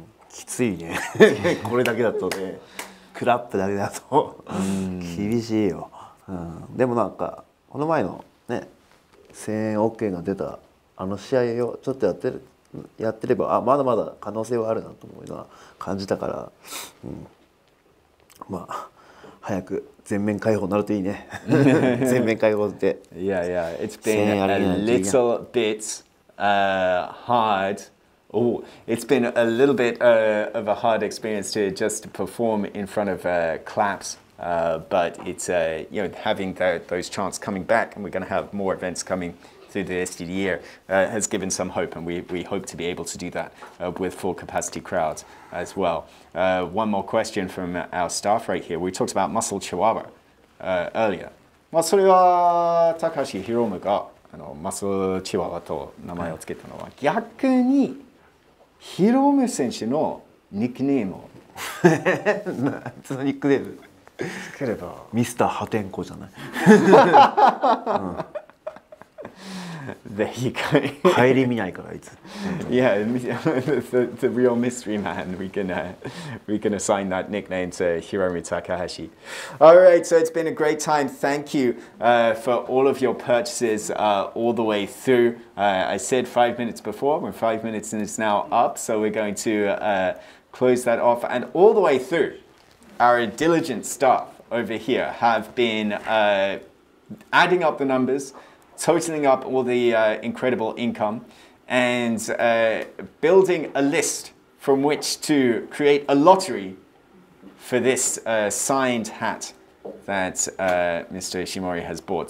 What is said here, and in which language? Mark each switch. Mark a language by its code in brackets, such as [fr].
[ja] きついねこれだけだとねクラップだけだと厳しいよ、うん、でもなんかこの前のね声援 OK が出たあの試合をちょっとやってれば、あ、まだまだ可能性はあるなと思うのは感じたから、うん、まあ早く全面解放になるといいね全面解放って [en] Yeah, yeah, it's been a little bit hard. Oh, it's been a little bit of a hard experience to just perform in front of claps. But it's, you know, having those chants coming back, and we're going to have more events coming through the rest of the year, has given some hope, and we hope to be able to do that with full capacity crowds as well. One more question from our staff right here. We talked about Muscle Chihuahua earlier. [ja] まあ、それは Takashi Hiromu が、あの、Muscle Chihuahua と名前をつけたのは、逆に Hiromu 選手のニックネームを。そのニックネーム。けれどミスター破天荒じゃない、うん、 [en] There you go. [ja] 帰り見ないからあいつ。 [en] Yeah, the real mystery man. We can assign that nickname to Hiromu Takahashi. All right, so it's been a great time. Thank you for all of your purchases all the way through. I said 5 minutes before, we're 5 minutes and it's now up, so we're going to close that off, and all the way through, our diligent staff over here have been adding up the numbers, totaling up all the incredible income, and building a list from which to create a lottery for this signed hat that Mr. Ishimori has bought.